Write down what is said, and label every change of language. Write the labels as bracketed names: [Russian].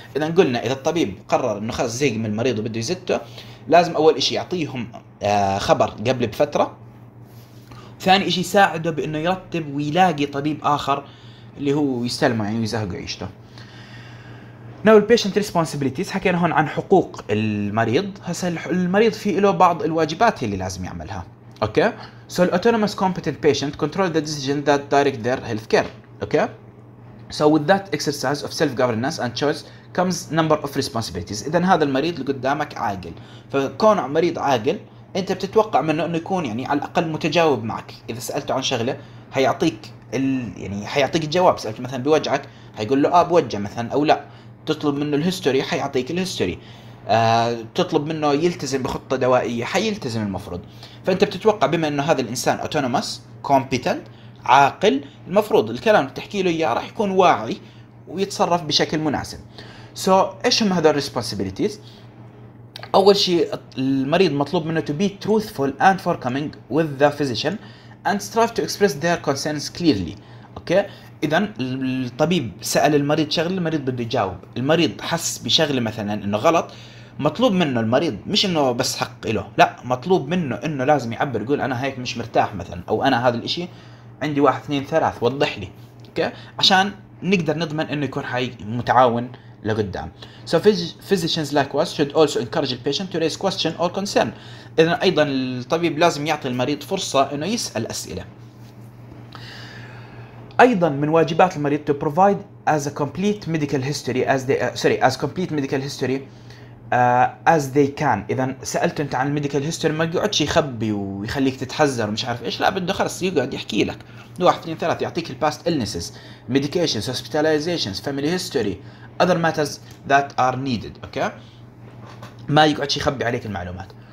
[Arabic] إذا قلنا إذا الطبيب قرر إنه خلاص زيق من المريض وبده يزته لازم أول إشي يعطيهم خبر قبل بفترة. ثاني إشي يساعده بإنه يرتب ويلاقي طبيب آخر اللي هو يستلمه يعني ويزهق عيشته. [English] Now the patient responsibilities. [Arabic] حكينا هون عن حقوق المريض. هسا المريض فيه له بعض الواجبات اللي لازم يعملها. [English] Okay. So the autonomous competent patient control the decision that direct their healthcare. Okay. So with that exercise of self-governance and choice comes number of responsibilities. [Arabic] إذن هذا المريض اللي قدامك عاقل. فكون مريض عاقل أنت بتتوقع منه إنه يكون يعني على الأقل متجاوب معك. إذا سألته عن شغلة هيعطيك يعني هيعطيك الجواب. سألته مثلا بوجعك هيقول له بوجع مثلا أو لا. تطلب منه الهيستوري هيعطيك الهيستوري. تطلب منه يلتزم بخطة دوائية حيلتزم المفروض. فأنت بتتوقع بما أنه هذا الإنسان autonomous competent عاقل المفروض الكلام اللي تحكي له إياه راح يكون واعي ويتصرف بشكل مناسب. [English] So [Arabic] إيش هم هذول [English] responsibilities؟ [Arabic] أول شيء المريض مطلوب منه [English] to be truthful and forthcoming with the physician and strive to express their concerns clearly. Okay. [Arabic] إذا الطبيب سأل المريض شغل المريض بده يجاوب المريض حس بشغل مثلا إنه غلط مطلوب منه المريض مش إنه بس حق له لا مطلوب منه إنه لازم يعبر يقول أنا هيك مش مرتاح مثلا أو أنا هذا الإشي عندي 1 2 3 وضح لي okay. عشان نقدر نضمن إنه يكون حي متعاون لقدام. [English] So physicians likewise should also encourage the patient to raise question or concern. [Arabic] إذا أيضا الطبيب لازم يعطي المريض فرصة إنه يسأل أسئلة. ايضا من واجبات المريض [English] to provide as a complete medical history as they as complete medical history as they can. [Arabic] اذا سالته انت عن الميديكال هيستوري ما يقعدش يخبي ويخليك تتحذر ومش عارف ايش لا بده خلص يقعد يحكي لك 1 2 3 يعطيك الباست [English] illnesses medications hospitalizations family history other matters that are needed. [Arabic] اوكي ما يقعدش يخبي عليك المعلومات.